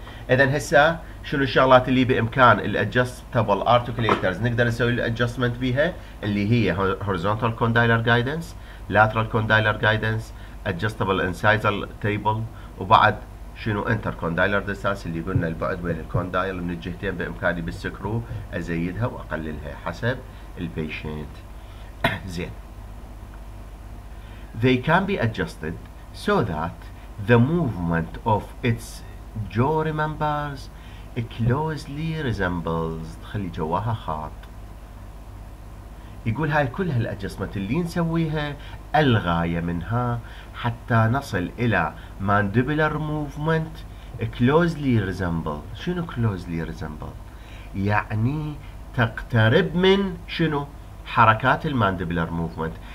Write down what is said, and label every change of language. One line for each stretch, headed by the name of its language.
Arabic: اذا هسه شنو الشغلات اللي بامكان الادجستبل ارتكليترز نقدر نسوي الادجستمنت بيها؟ اللي هي هوريزونتال كوندايلر جايدنس، لاترال كوندايلر جايدنس، ادجستبل انسايزال تيبل، وبعد شنو؟ انتر كوندايلر ديستانس اللي قلنا البعد بين الكوندايل من الجهتين، بامكاني بالسكرو ازيدها واقللها حسب البيشنت. زين،
English: they can be adjusted so that the movement of its jaw remembers closely resembles.
Arabic: تخلي جواها خاط. يقول هاي كل هالأجسمات اللي نسويها الغاية منها حتى نصل إلى
English: mandibular movement closely resemble.
Arabic: شنو
English: closely resemble؟
Arabic: يعني تقترب من شنو؟ حركات الماندبلر موفمنت.